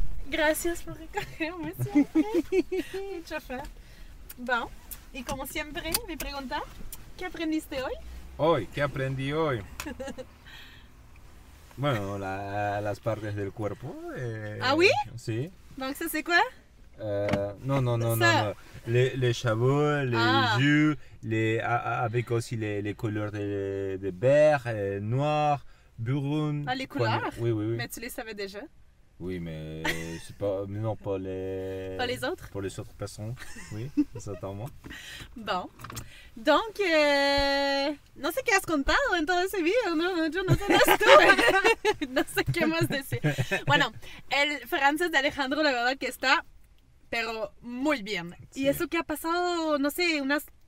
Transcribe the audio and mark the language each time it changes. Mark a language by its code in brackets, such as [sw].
[es] Gracias por recogerme. Un chofer. Bueno, y como siempre, me pregunta, ¿qué aprendiste hoy? Hoy, ¿qué aprendí hoy? Bueno, las partes del cuerpo. [fr] ¿Ah, oui? [es] Sí. [fr] ¿Donc, ça c'est quoi? [es] No. [fr] Les chapeaux, yeux, avec aussi les couleurs de vert, noir, brun. Ah, les couleurs? Oui. Mais tu les savais déjà? Oui, mais c'est pas, mais non, pas les. Pas les autres. Pour les autres personnes, oui, certainement. Bon, donc, [es] no sé qué has contado en todo ese video, no, yo no sé más tú, no sé qué más decir. Bueno, el francés de Alejandro, la verdad que está, pero muy bien. Sí. Y eso que ha pasado, no sé, unas.